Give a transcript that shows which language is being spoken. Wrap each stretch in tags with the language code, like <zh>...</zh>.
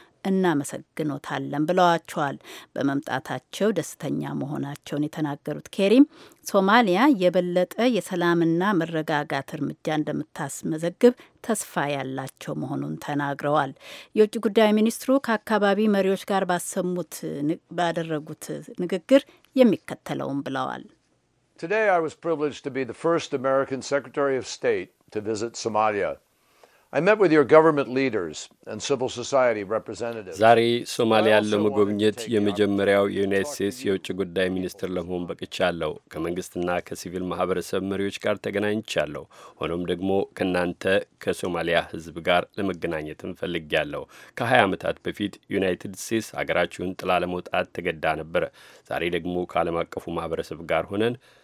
<am>እናመሰግኖታለን ብለዋቸዋል። በመምጣታቸው ደስተኛ መሆናቸውን የተናገሩት ኬሪም ሶማሊያ የበለጠ የሰላምና መረጋጋት እርምጃ እንደምታስመዘግብ ተስፋ ያላቸው መሆኑን ተናግረዋል። የውጭ ጉዳይ ሚኒስትሩ ከአካባቢ መሪዎች ጋር ባደረጉት ንግግር የሚከተለውም ብለዋል።</am> <en>Today I was privileged to be the first American Secretary of State to visit Somalia. I met with your government leaders and civil society representatives.</en> <am>ዛሬ ሶማሊያ ለመጎብኘት የመጀመሪያው የዩናይትድ ስቴትስ የውጭ ጉዳይ ሚኒስትር ለመሆን በቅቻለሁ። ከመንግስትና ከሲቪል ማህበረሰብ መሪዎች ጋር ተገናኝቻለሁ። ሆኖም ደግሞ ከናንተ ከሶማሊያ ህዝብ ጋር ለመገናኘት እንፈልጋለሁ። ከ20 አመታት በፊት ዩናይትድ ስቴትስ ሀገራችሁን ጥላ ለመውጣት ተገዳ ነበር። ዛሬ ደግሞ ከዓለም አቀፉ ማህበረሰብ ጋር ሆነን</am>